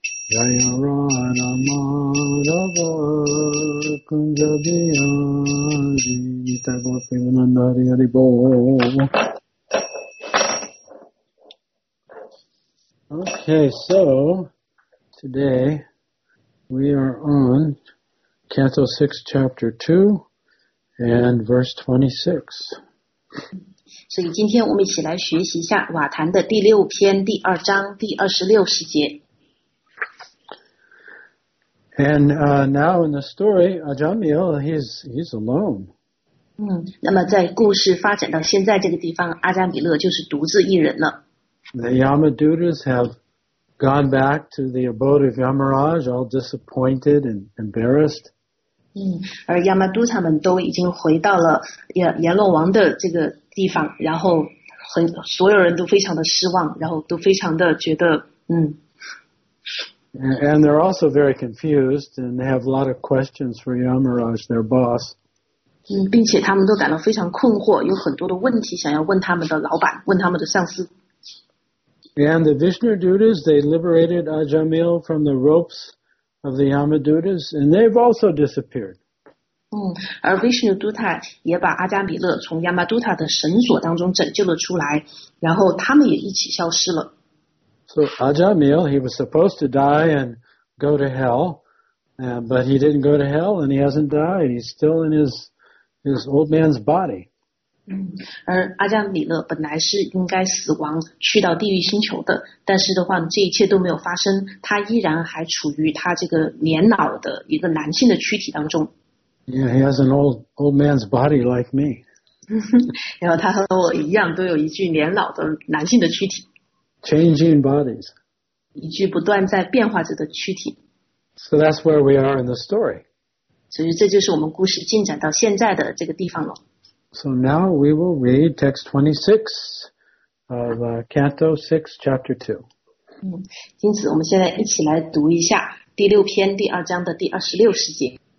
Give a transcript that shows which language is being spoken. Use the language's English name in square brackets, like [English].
[Sanskrit] Jaya Radha Madhava Kunjabi Hari Gita Gopi Nandari Hari Bol [English] Okay, soToday, we are on Canto 6, Chapter 2, and Verse 26. [Chinese] 所以今天我们一起来学习一下瓦坛的第六篇第二章第二十六十节。 [English] And now in the story, Ajamil, he's alone. [Chinese] 那么在故事发展到现在这个地方，阿加米勒就是独自一人了。 [English] The Yamadutas haveGone back to the abode of Yamaraj, all disappointed and embarrassed. [Chinese] 而 Yamaduta 们都已经回到了阎罗王的这个地方，然后很所有人都非常的失望，然后都非常的觉得 [English] And they're also very confused, and they have a lot of questions for Yamaraj, their boss. [Chinese] 并且他们都感到非常困惑，有很多的问题想要问他们的老板，问他们的上司。 [English] And the Vishnudutas, they liberated Ajamil from the ropes of the Yamadutas, and they've also disappeared. [Chinese] 而 Vishnuduta 也把阿加米勒从 Yamaduta 的绳索当中拯救了出来，然后他们也一起消失了。 [English] So Ajamil, he was supposed to die and go to hell, but he didn't go to hell and he hasn't died. He's still in his old man's body. [Chinese] 而阿姜米勒本来是应该死亡去到地狱星球的，但是的话这一切都没有发生，他依然还处于他这个年老的一个男性的躯体当中。 [English] Yeah, he has an old man's body like me. [Chinese] 然后他和我一样都有一具年老的男性的躯体。 [English] Changing bodies. [Chinese] 一具不断在变化着的躯体。 [English] So that's where we are in the story. [Chinese] 所以这就是我们故事进展到现在的这个地方了。 [English] So now we will read text 26 of Canto 6, Chapter 2. [Chinese] 因此我们现在一起来读一下第六篇第二章的第二十六十节。